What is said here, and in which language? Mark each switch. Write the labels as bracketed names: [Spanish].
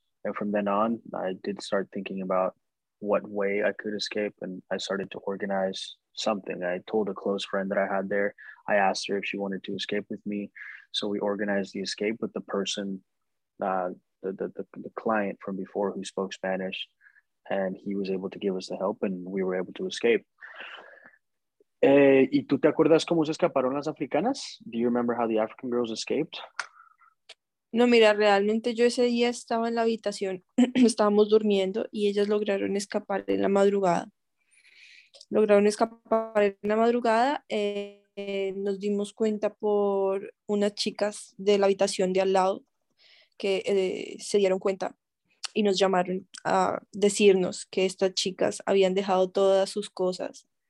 [English] And from then on, I did start thinking about what way I could escape, and I started to organize something. I told a close friend that I had there. I asked her if she wanted to escape with me. So we organized the escape with the person, the client from before who spoke Spanish, and he was able to give us the help, and we were able to escape. [Spanish] ¿Y tú te acuerdas cómo se escaparon las africanas? [English] Do you remember how the African girls escaped? [Spanish] No, mira, realmente yo ese día estaba en la habitación, estábamos durmiendo y ellas lograron escapar en la madrugada. Lograron escapar en la madrugada, nos dimos cuenta por unas chicas de la habitación de al lado que se dieron cuenta y nos llamaron a decirnos que estas chicas habían dejado todas sus cosas.